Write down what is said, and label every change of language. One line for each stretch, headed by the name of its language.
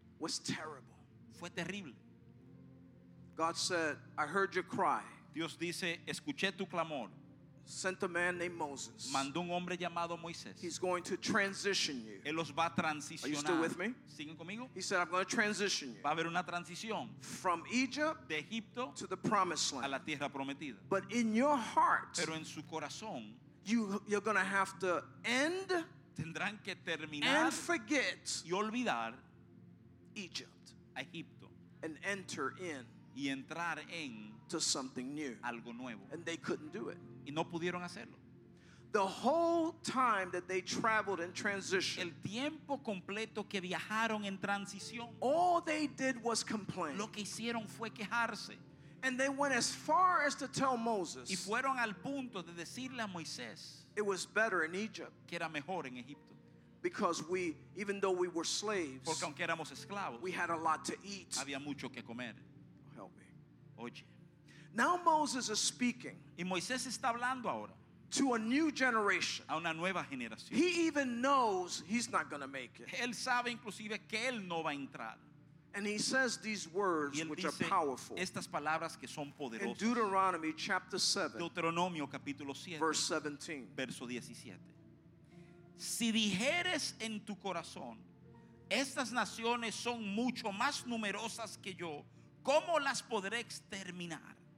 English: Was terrible.
Spanish: Fue terrible.
English: God said, I heard your cry.
Spanish: Dios dice, escuché tu clamor.
English: Sent a man named Moses.
Spanish: Mandó un hombre llamado Moisés.
English: He's going to transition you.
Spanish: Él los va a transicionar.
English: Are you still with me?
Spanish: ¿Siguen conmigo?
English: He said, I'm going to transition you.
Spanish: Va a haber una transición.
English: From Egypt.
Spanish: De Egipto.
English: To the promised land.
Spanish: A la tierra prometida.
English: But in your heart.
Spanish: Pero en su corazón.
English: You're going to have to end.
Spanish: Tendrán que terminar.
English: And forget.
Spanish: Y olvidar.
English: Egypt.
Spanish: A Egipto.
English: And enter in.
Spanish: Y entrar en.
English: To something new.
Spanish: Algo nuevo.
English: And they couldn't do it.
Spanish: Y no pudieron hacerlo.
English: The whole time that they traveled in transition.
Spanish: El tiempo completo que viajaron en transición.
English: All they did was complain.
Spanish: Lo que hicieron fue quejarse.
English: And they went as far as to tell Moses.
Spanish: Y fueron al punto de decirle a Moisés.
English: It was better in Egypt.
Spanish: Que era mejor en Egipto.
English: Because we, even though we were slaves.
Spanish: Porque aunque éramos esclavos.
English: We had a lot to eat.
Spanish: Había mucho que comer.
English: Help me.
Spanish: Oye.
English: Now Moses is speaking.
Spanish: Y Moisés está hablando ahora.
English: To a new generation.
Spanish: A una nueva generación.
English: He even knows he's not going to make it.
Spanish: Él sabe inclusive que él no va a entrar.
English: And he says these words which are powerful.
Spanish: Estas palabras que son poderosas.
English: In Deuteronomy chapter 7.
Spanish: Deuteronomio capítulo 7.
English: Verse 17.
Spanish: Verso 17. Si dijeres en tu corazón, estas naciones son mucho más numerosas que yo, ¿cómo las podré exterminar?